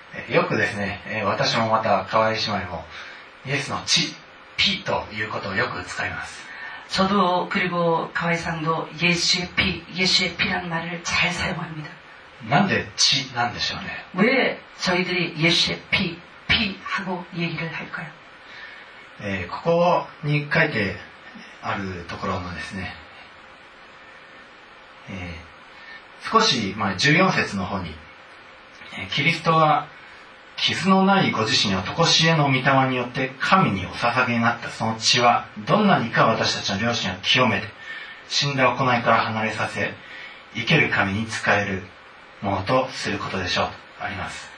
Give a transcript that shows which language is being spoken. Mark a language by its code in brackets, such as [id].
[ja] よくですね、私もまた河合姉妹もイエスの血、ピということをよく使います。 [ko] 저도그리고河合さんも예수의피、예수의피라는말을잘사용합니다。 [ja] なんで血なんでしょうね。 [ko] 왜저희들이예수의피、피하고얘기를할까요。 [ja] ここに書いてあるところのですね、少し前14節の方に、キリストは傷のないご自身を常しえの御霊によって神にお捧げになったその血はどんなにか私たちの良心を清めて死んだ行いから離れさせ生ける神に仕えるものとすることでしょうとあります。